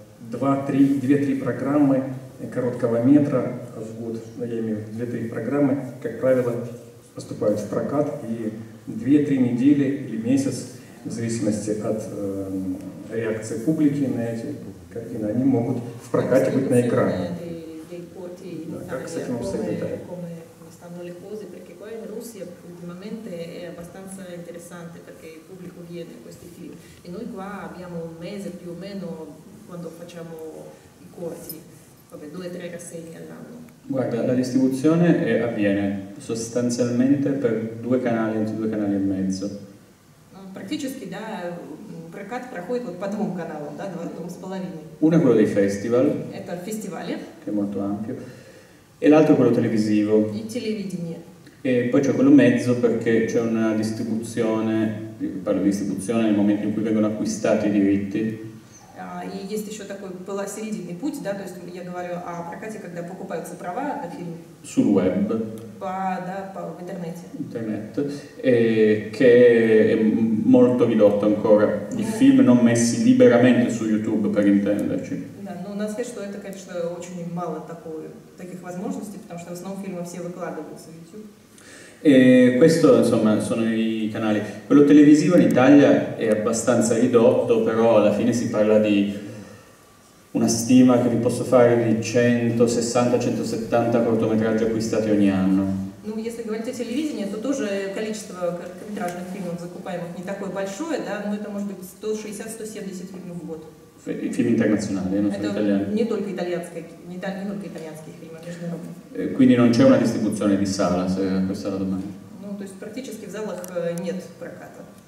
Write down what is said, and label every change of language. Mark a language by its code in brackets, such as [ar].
[ru] Две-три программы короткого метра в год, я имею в виду, 2-3 программы, как правило, поступают в прокат, и 2-3 недели или месяц, в зависимости от реакции публики на эти картины, они могут в прокате быть на экране. Да, как с этим обстоит? [it] Stanno le cose, perché qua in Russia ultimamente è abbastanza interessante perché il pubblico viene a questi film e noi qua abbiamo un mese più o meno quando facciamo i corti, vabbè, 2-3 rassegne all'anno. Guarda, la distribuzione avviene sostanzialmente per due canali e mezzo. [ru] Практически, да, прокат проходит вот по двум каналам, да, 2,5. [it] Uno è quello dei festival. [ru] Это фестивали. [it] Che è molto ampio. E l'altro è quello televisivo. Il televisione. E poi c'è quello mezzo perché c'è una distribuzione, parlo di distribuzione nel momento in cui vengono acquistati i diritti. [ru] И есть еще такой полосерединный путь, да, то есть я говорю о прокате, когда покупаются права на фильм. [it] Sul web. [ru] В интернете. [it] Internet. E che è molto ridotto ancora. I film non messi liberamente su YouTube, per intenderci. [ru] Да, надо сказать, что это, конечно, очень мало таких возможностей, потому что в основном фильмы все выкладываются в YouTube. [it] E questo, insomma, sono i canali. Quello televisivo in Italia è abbastanza ridotto, però alla fine si parla di una stima che vi posso fare di 160-170 cortometraggi acquistati ogni anno. [ru] Ну, если говорить о телевидении, то тоже количество короткометражных фильмов закупаемых не такое большое, да, но это может быть 160-170 фильмов в год. [it] Film internazionali, non solo italiani. Non solo italiani, non solo italiani. Quindi non c'è una distribuzione di sala, se questa è la domanda. [ru] No, то есть практически в залах нет проката.